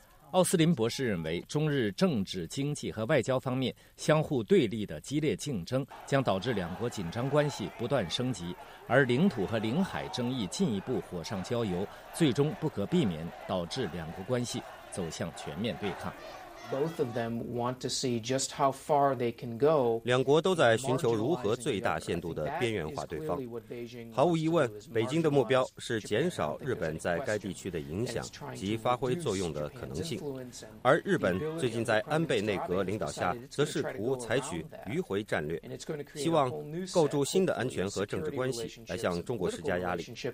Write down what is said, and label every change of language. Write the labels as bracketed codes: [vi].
[zh] 奥斯林博士认为，中日政治、经济和外交方面相互对立的激烈竞争将导致两国紧张关系不断升级，而领土和领海争议进一步火上浇油，最终不可避免导致两国关系走向全面对抗。 [en] Both of them want to see just how far they can go. [zh] 两国都在寻求如何最大限度地边缘化对方。毫无疑问，北京的目标是减少日本在该地区的影响及发挥作用的可能性，而日本最近在安倍内阁领导下则试图采取迂回战略，希望构筑新的安全和政治关系来向中国施加压力。